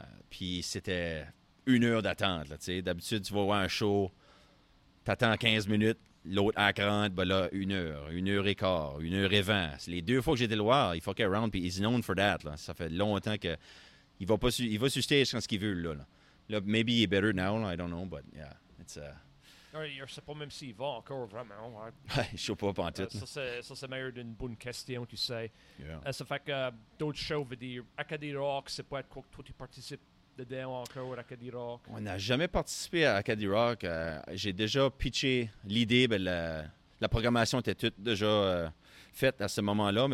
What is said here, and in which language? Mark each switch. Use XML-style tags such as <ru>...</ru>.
<fr>Puis c'était 1 heure d'attente, là, tu sais. D'habitude, tu vas voir un show, t'attends 15 minutes. L'autre à 40, ben là, 1 heure, 1 heure et quart, 1 heure et 20. C'est les 2 fois que j'étais le voir, il fuckait around, puis</fr> <en>he's known for that,</en> <fr>là. Ça fait longtemps que il va sur stage quand ce qu'il veut, là.</fr> <en>Maybe he's better now,</en> <fr>là,</fr> <en>I don't know, but yeah, it's a...</en> <fr>Je sais pas même s'il va encore vraiment, ouais. Je sais pas, pas en tout. Ça, c'est meilleur d'une bonne question, tu sais.</fr> <en>Yeah.</en> <fr>Ça fait que d'autres shows, veut dire, Acadie Rock, c'est pas être quoi que toi tu participes dedans encore à Acadie Rock? On n'a jamais participé à Acadie Rock. J'ai déjà pitché l'idée, mais la programmation était toute déjà faite à ce moment-là.</fr>